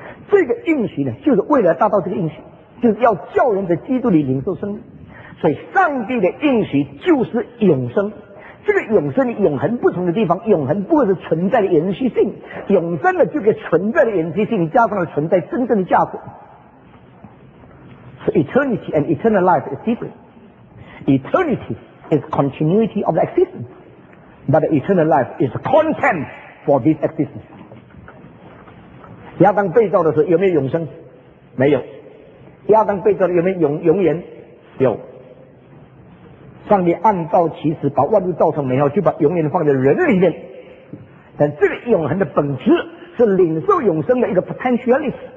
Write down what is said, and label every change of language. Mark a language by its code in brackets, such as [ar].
[zh] 这个应许呢，就是为了达到这个应许，就是要叫人在基督里领受生命。所以上帝的应许就是永生。这个永生永恒不同的地方，永恒不是存在的延续性，永生的就给存在的延续性加上了存在真正的价值。 [en] So eternity and eternal life is different. Eternity is continuity of the existenceBut the eternal life is a content for this existence. [zh] 亚当被造的时候有没有永生？没有。亚当被造的有没有永远？有。上帝按照其实把万物造成美好，就把永远放在人里面。但这个永恒的本质是领受永生的一个 potentiality。